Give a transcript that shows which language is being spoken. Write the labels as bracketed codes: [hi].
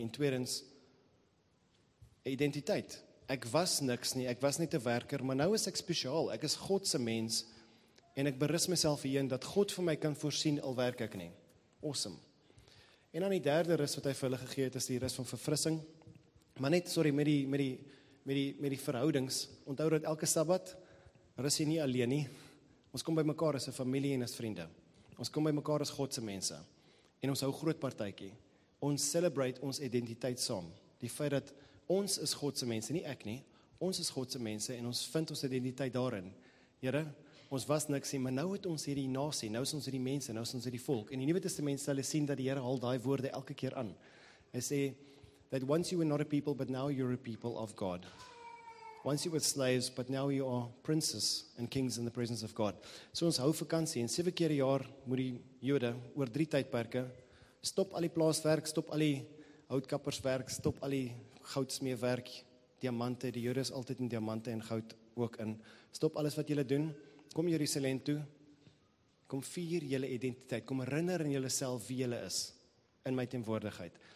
[af] En tweedens, identiteit. Ek was niks nie, ek was net 'n werker, maar nou is ek spesiaal. Ek is God se mens en ek berus myself hierin dat God vir my kan voorsien al werk ek nie. Awesome. En dan die derde rus wat hy vir hulle gegee het is die rus van verfrissing. Maar net sorry met die verhoudings. Onthou dat elke Sabbat rus jy nie alleen nie. Ons kom by mekaar as 'n familie en as vriende. Ons kom by mekaar as God se mense. En ons hou groot partytjie. Ons celebrate ons identiteit saam. Die feit dat ons is God se mense, nie ek nie. Ons is God se mense en ons vind ons identiteit daarin. Here, ons was niks nie, maar nou het ons hierdie nasie, nou is ons hierdie mense, nou is ons hierdie volk. En die Nuwe Testament sê hulle sien dat die Here haal daai woorde elke keer aan. Hy sê [en] that once you were not a people but now you're a people of God. Once you were slaves but now you are princes and kings in the presence of God. [af] So ons hou vakansie en 7 keer 'n jaar moet die Jode oor 3 tydperke stop al die plaaswerk, stop al die houtkapperswerk, stop al die goudsmeewerk, diamante, die Jode is altyd in diamante en goud ook in. Stop alles wat julle doen, kom Jerusalem toe, kom vier julle identiteit, kom herinner in julleself wie julle is, in my teenwoordigheid.